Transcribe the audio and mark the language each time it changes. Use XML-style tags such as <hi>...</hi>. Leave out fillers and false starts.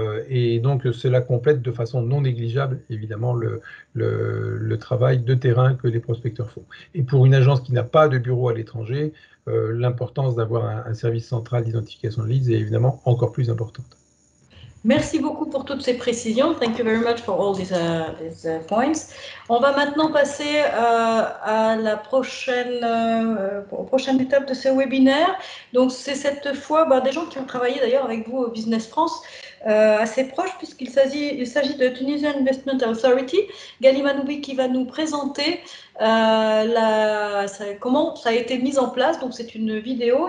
<fr>Et donc, cela complète de façon non négligeable, évidemment, le travail de terrain que les prospecteurs font. Et pour une agence qui n'a pas de bureau à l'étranger, l'importance d'avoir un service central d'identification de leads est évidemment encore plus importante. Merci beaucoup pour toutes ces précisions.</fr> <en>Thank you very much for all these points.</en> <fr>On va maintenant passer à la prochaine étape de ce webinaire. Donc, c'est cette fois des gens qui ont travaillé d'ailleurs avec vous au Business France, assez proches, puisqu'il s'agit de Tunisian Investment Authority, Ghali Manoubi, qui va nous présenter comment ça a été mis en place. Donc, c'est une vidéo.</fr>